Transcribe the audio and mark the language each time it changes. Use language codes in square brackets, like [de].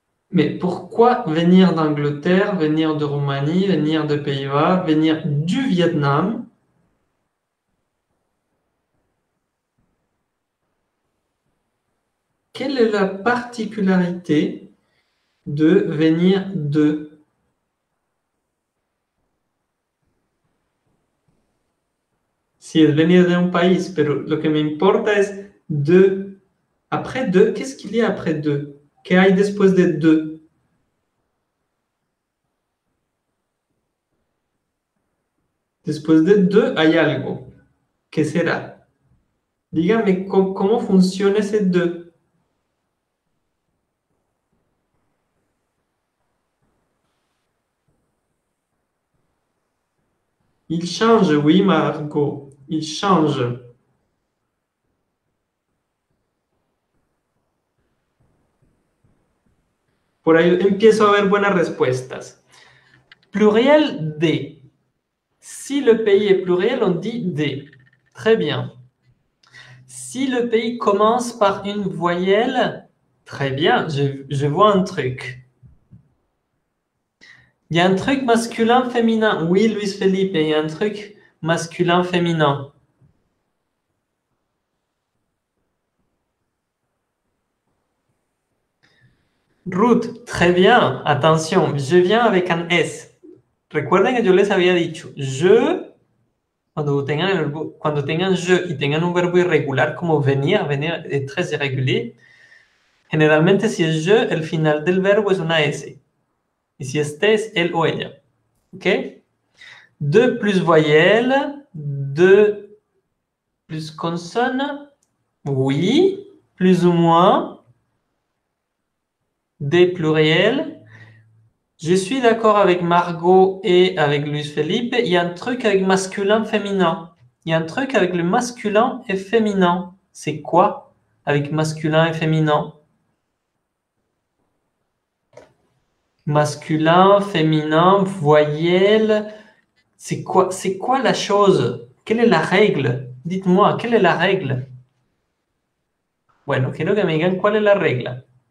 [fr] Mais pourquoi venir d'Angleterre, venir de Roumanie, venir de Pays-Bas, venir du Vietnam? Quelle est la particularité de venir de? [es] Si es venir de un país, pero lo que me importa es de. [fr] Après de, qu'est-ce qu'il y a après de? [es] ¿Qué hay después de de? Después de de, hay algo. ¿Qué será? Dígame, ¿cómo funciona ese de? [fr] Il change, oui, Margot. Il change. [es] Por ahí empiezo a ver buenas respuestas. [fr] Pluriel de. Si le pays est pluriel, on dit de. Très bien. Si le pays commence par une voyelle, très bien, je vois un truc. Il y a un truc masculin-féminin. Oui, Luis Felipe, il y a un truc masculin-féminin. Ruth, très bien. Attention, je viens avec un S. [es] Recuerden que yo les había dicho, je, cuando tengan je y tengan un verbo irregular como venir, venir es [fr] très irrégulier. [es] Generalmente, si es je, el final del verbo es una S. Y si es te, es él o ella. ¿Ok? [fr] De plus voyelle, de plus consonne, oui, plus ou moins, de pluriel. Je suis d'accord avec Margot et avec Luis Felipe. Il y a un truc avec masculin, féminin. Il y a un truc avec le masculin et féminin. C'est quoi avec masculin et féminin? Masculin, féminin, voyelle. C'est quoi la chose? Quelle est la règle? Dites-moi, quelle est la règle? [es] Bueno, quiero que me digan cuál es la regla.